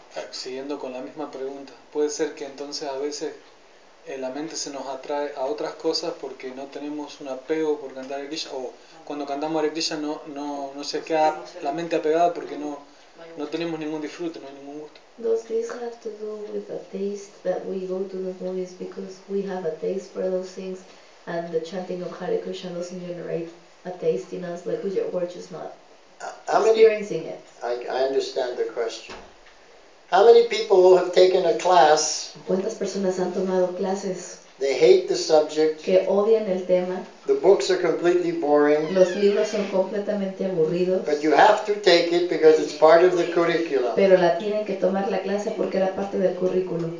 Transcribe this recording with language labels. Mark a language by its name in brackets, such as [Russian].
[Spanish] Siguiendo con la misma pregunta, puede ser que entonces a veces la mente se nos atrae a otras cosas porque no tenemos un apego por cantar Hare Krishna, o cuando cantamos Hare Krishna no se queda la mente apegada porque no tenemos ningún disfrute, no hay ningún gusto. [English] Does this have to do with a taste that we go to the movies because we have a taste for those things and the chanting of Hare Krishna doesn't generate a taste in us, like we're just not experiencing it? I understand the question. How many people have taken a class? [Spanish] ¿Cuántas personas han tomado clases? [English] They hate the subject. [Spanish] Que odian el tema. [English] The books are completely boring. [Spanish] Los libros son completamente aburridos. [English] But you have to take it because it's part of the curriculum. [Spanish] Pero la tienen que tomar la clase porque era parte del currículum.